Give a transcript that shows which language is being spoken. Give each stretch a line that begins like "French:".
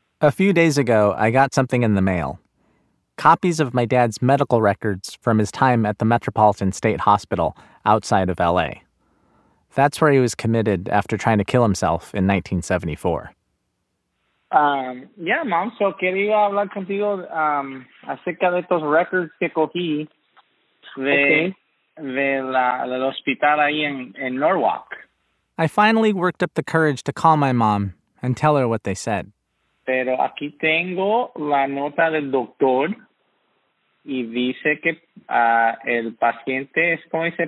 English: A few days ago, I got something in the mail. Copies of my dad's medical records from his time at the Metropolitan State Hospital outside of L.A. That's where he was committed after trying to kill himself in 1974. Yeah, mom.
Spanish: So, quería hablar contigo acerca de estos records que cogí del hospital ahí en Norwalk.
English: I finally worked up the courage to call my mom and tell her what they said.
Spanish: Pero aquí tengo la nota del doctor. Y dice que el paciente es, ¿cómo dice?